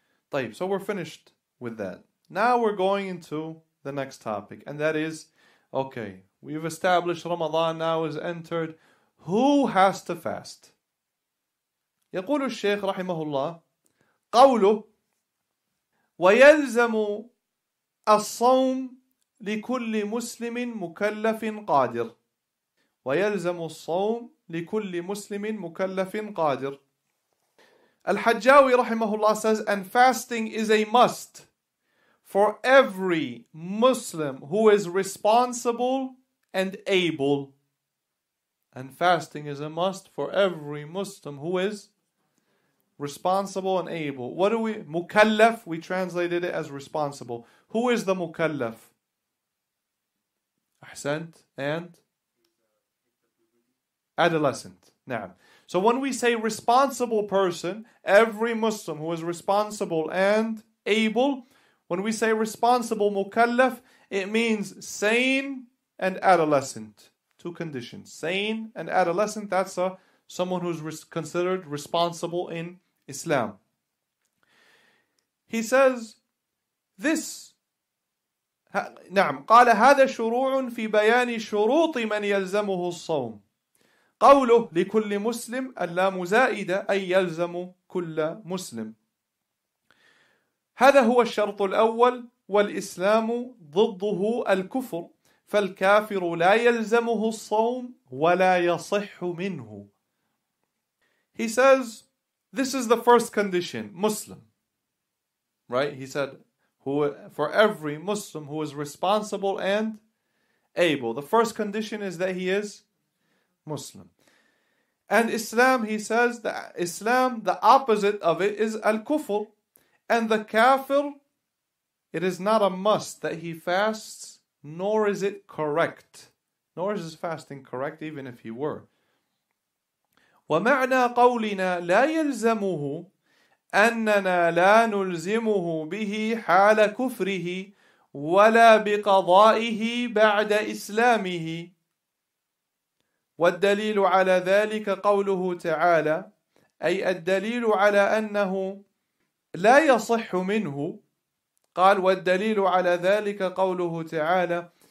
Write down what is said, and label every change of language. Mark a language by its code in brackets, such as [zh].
[en] طيب, so we're finished with that. Now we're going into the next topic, and that is, okay, we've established Ramadan now is entered. Who has to fast? [ar] يقول الشيخ رحمه الله قوله ويلزم الصوم لكل مسلم مكلف قادر ويلزم الصوم لكل مسلم مكلف قادر. [en] الحجاوي رحمه الله says, and fasting is a must for every Muslim who is responsible and able. And fasting is a must for every Muslim who is responsible and able. What do we, mukallaf, we translated it as responsible. Who is the mukallaf? Ahsant, and adolescent. Na'am. So when we say responsible person, every Muslim who is responsible and able, when we say responsible mukallaf, it means sane and adolescent. Two conditions. Sane and adolescent, that's someone who's considered responsible in Islam. He says, this. [ar] نعم قال هذا شروع في بيان شروط من يلزمه الصوم قوله لكل مسلم اللام زائدة أي يلزم كل مسلم هذا هو الشرط الأول والإسلام ضده الكفر فالكافر لا يلزمه الصوم ولا يصح منه [en] He says this is the first condition Muslim Right he said Who for every Muslim who is responsible and able. The first condition is that he is Muslim. And Islam, he says, the Islam, the opposite of it is al-kufr. And the kafir, it is not a must that he fasts, nor is it correct. Nor is his fasting correct, even if he were. [ar] وَمَعْنَى قَوْلِنَا لَا يَلْزَمُهُ أننا لا نلزمه به حال كفره ولا بقضائه بعد إسلامه والدليل على ذلك قوله تعالى أي الدليل على أنه لا يصح منه قال والدليل على ذلك قوله تعالى